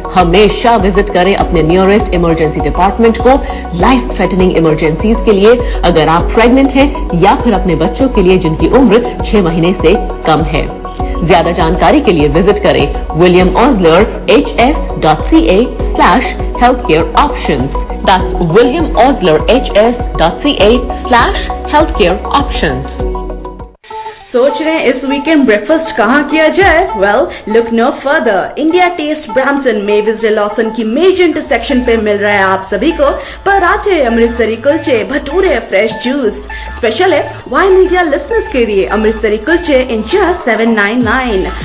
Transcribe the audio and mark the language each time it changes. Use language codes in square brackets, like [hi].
[hi] हमेशा विजिट करें अपने नियरेस्ट इमरजेंसी डिपार्टमेंट को लाइफ थ्रेटनिंग इमरजेंसीज के लिए, अगर आप प्रेग्नेंट हैं या फिर अपने बच्चों के लिए जिनकी उम्र 6 महीने से कम है। ज्यादा जानकारी के लिए विजिट करें williamoslerhs.ca/healthcareoptions. [en] That's williamoslerhs.ca/healthcareoptions. [hi] सोच रहे हैं इस वीकेंड ब्रेकफास्ट कहाँ किया जाए? [en] Well, look no further. [hi] India test Brampton Mavis day Lawson की मेजर इंटरसेक्शन पे मिल रहा है आप सभी को पराठे, अमृतसरी कुलचे, भटूरे, फ्रेश जूस। स्पेशल है वाई मीडिया लिसनर्स के लिए अमृतसरी कुलचे इन जस्ट 799।